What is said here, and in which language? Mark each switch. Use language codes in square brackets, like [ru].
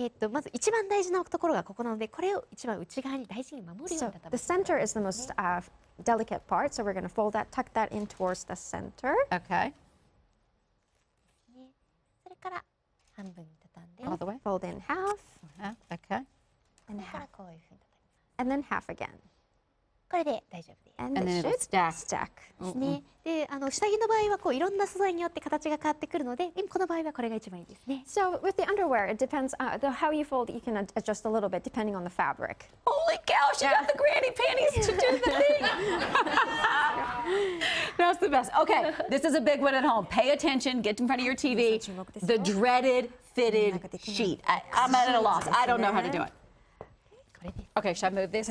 [ja] まず一番大事なところがここなので、これを一番内側に大事に守るように畳む。 [en] So, the center is the most, delicate part, so we're going to fold that, tuck that in towards the center. Okay. [ja] それから半分に畳んで。 [en] All the way. Fold in half. Okay. And half. [ja] こういうふうに畳みます。 [en] And then half again. [ja] これで大丈夫です。 [en] And then it'll stack. Stack. [ja] ね。で、下着の場合はこういろんな素材によって形が変わってくるので、今この場合はこれが一番いいですね。 [en] So with the underwear, it depends how you fold. You can adjust a little bit depending on the fabric. Holy cow! She got the granny panties to do the thing. That's the best. Okay, this is a big one at home. Pay attention. Get in front of your TV. The dreaded fitted sheet. I'm at a loss. I don't know how to do it. Okay, should I move this?